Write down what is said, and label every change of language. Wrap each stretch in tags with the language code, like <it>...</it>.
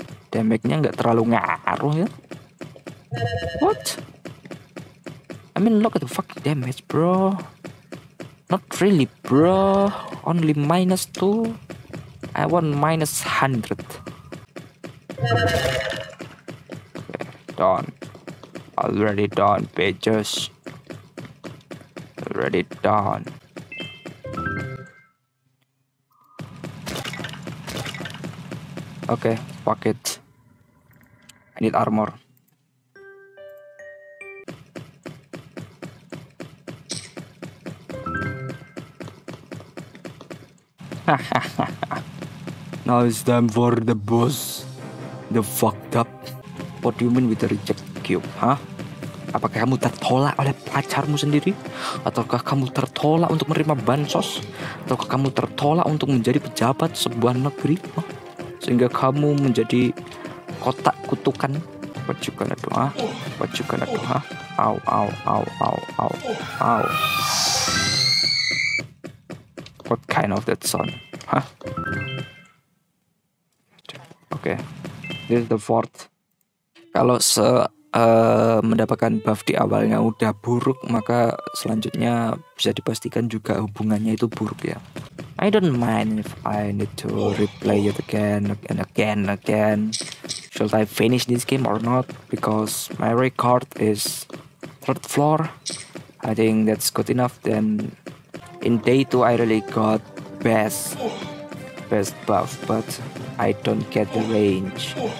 <id>Damage-nya nggak terlalu ngaruh ya.</id> <en>What? I mean, look at the fucking damage, bro. Not really, bro. Only minus 2. I want minus 100. Okay, done. Already done, bitches. Already done. Okay, fuck it. I need armor. Now it's time for the boss. The fucked up. What do you mean with the reject cube, huh?</en> <id>Apakah kamu tertolak oleh pacarmu sendiri? Ataukah kamu tertolak untuk menerima bansos? Ataukah kamu tertolak untuk menjadi pejabat sebuah negeri? Huh? Sehingga kamu menjadi kotak kutukan.</id> <en>What you gonna do, huh? What you gonna do, huh? Ow, ow, ow, ow, ow, ow. What kind of that sound, huh? Okay, this is the fourth.</en> <id>Kalau mendapatkan buff di awalnya udah buruk, maka selanjutnya bisa dipastikan juga hubungannya itu buruk ya.</id> <en>I don't mind if I need to replay it again and again and again. Should I finish this game or not? Because my record is third floor. I think that's good enough. Then in day 2 I really got best buff, but I don't get the range.</en>